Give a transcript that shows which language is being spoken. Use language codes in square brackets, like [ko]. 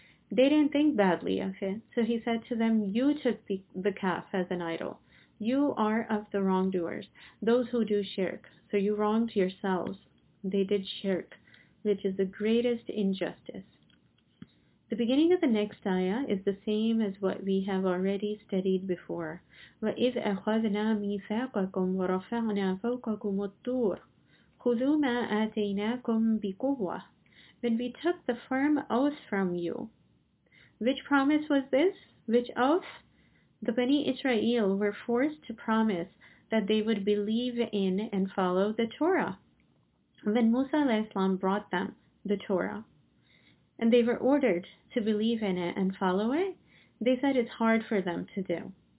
[en] They didn't think badly of it. So He said to them, you took the calf as an idol. You are of the wrongdoers, those who do shirk. So you wronged yourselves. They did shirk, which is the greatest injustice. The beginning of the next ayah is the same as what we have already studied before. [ar] وَإِذْ أَخَذْنَا مِيثَاقَكُمْ وَرَفَعْنَا فَوْقَكُمُ الطُّورِ خُذُوا مَا آتَيْنَاكُمْ بِقُوَّةِ [en] When we took the firm oath from you. Which promise was this? Which oath? The Bani Israel were forced to promise that they would believe in and follow the Torah. When Musa alayhislam brought them the Torah, and they were ordered to believe in it and follow it, they said it's hard for them to do.